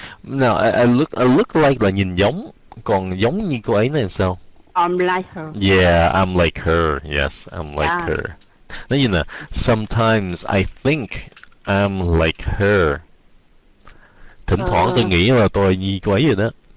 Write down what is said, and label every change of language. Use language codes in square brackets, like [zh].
[en] No, I look like [vi] là nhìn giống. Còn giống như cô ấy là sao? [en] I'm like her. Yeah, I'm like her. Yes, I'm like her. [vi] Nói như là, [en] sometimes I think I'm like her. [vi] Thỉnh thoảng tôi nghĩ là tôi như cô ấy vậy đó.